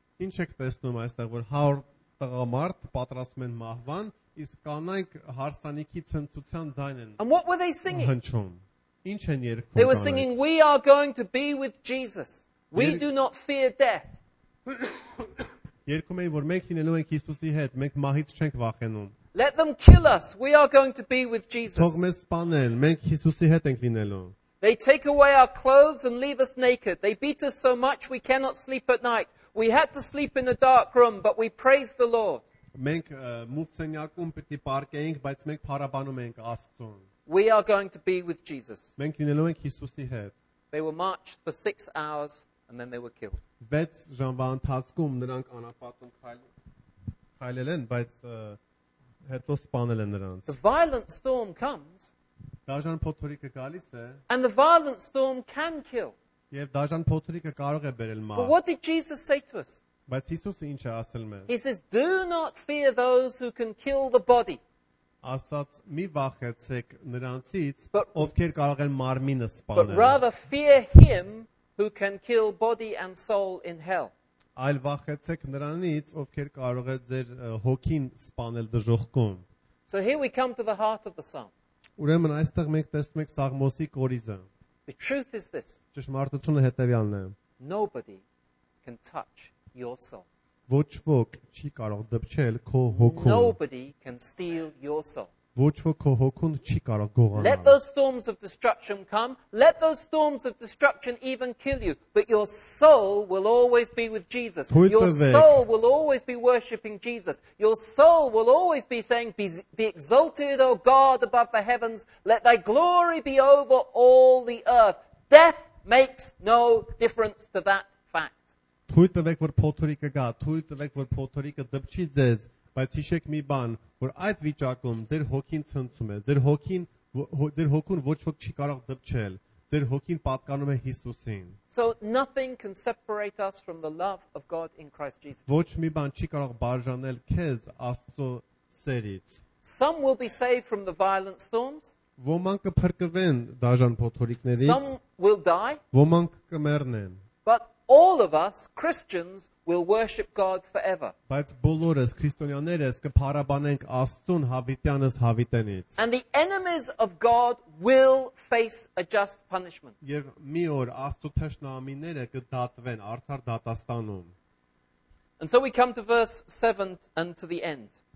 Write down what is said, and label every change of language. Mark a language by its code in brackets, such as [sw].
[hy] Ինչ եք տեսնում այստեղ, որ 100 տղամարդ պատրաստում են մահվան, իսկ կանայք հարսանիքի ցնցության ձայն են։ [en] And what were they singing? [hy] Հնչում։ Ինչ են երգում։ [en] They were singing, "We are going to be with Jesus. We do not fear death." [hy] Երգում էին, որ մենք լինելու ենք Հիսուսի հետ, մենք մահից չենք վախենում։ [en] Let them kill us. We are going to be with Jesus. [hy] Թող մեզ սպանեն, մենք Հիսուսի հետ ենք լինելու։ [en] They take away our clothes and leave us naked. They beat us so much we cannot sleep at night. We had to sleep in a dark room, but we praise the Lord. [hy] Մենք մուտքենյակում պիտի պարկեինք, բայց մենք փարաբանում ենք Աստծուն։ [en] We are going to be with Jesus. [hy] Մենք լինելու ենք Հիսուսի հետ։ [en] They were marched for 6 hours and then they were killed. [hy] 6 ժամվա ընթացքում նրանք անապատում քայլել են, բայց հետո սպանել են նրանց։ [en] The violent storm comes. [hy] Դաժան փոթորիկը գալիս է։ [en] And the violent storm can kill. [hy] Եվ դաժան փոթորիկը կարող է բերել մահ։ [en] But what did Jesus say to us? [hy] Բայց Հիսուսը ինչ է ասել մեզ։ [en] He says, "Do not fear those who can kill the body." [hy] Ասած, մի վախեցեք նրանցից, ովքեր կարող են մարմինը սպանել։ [en] But rather fear him who can kill body and soul in hell. [hy] Այլ վախեցեք նրանից, ովքեր կարող է ձեր հոգին սպանել դժոխքում։ [en] So here we come to the heart of the psalm. [hy] Ուրեմն այստեղ մենք տեսնում ենք Սաղմոսի կորիզը։ [en] The truth is this. [hy] Ճշմարտությունը հետևյալն է։ [en] Nobody can touch your soul. [hy] Ոչ ոք չի կարող դպչել քո հոգու։ [en] Nobody can steal your soul. Let those storms of destruction come. Let those storms of destruction even kill you. But your soul will always be with Jesus. Your soul will always be worshipping Jesus. Your soul will always be saying, be exalted, O God, above the heavens. Let thy glory be over all the earth. Death makes no difference to that fact. [hy] Բայց հիշեք մի բան, որ այդ վիճակում ձեր հոգին ցնցում է, ձեր հոգուն ոչ ոք չի կարող դպչել, ձեր հոգին պատկանում է Հիսուսին. [en] So nothing can separate us from the love of God in Christ Jesus. [hy] Ոչ մի բան չի կարող բաժանել քեզ Աստծո սերից. [en] Some will be saved from the violent storms. [hy] Ոմանք կփրկվեն դաժան փոթորիկներից. [en] Some will die. [hy] Ոմանք կմեռնեն. [en] But all of us Christians will worship God forever. [hy] Բայց բոլորս քրիստոնյաներս կփարաբանենք Աստծուն հավիտյանս հավիտենից. [en] And the enemies of God will face a just punishment. [hy] Եվ մի օր Աստծո թշնամիները կդատվեն արդար դատաստանում. [en] And so we come to verse 7 and to the end.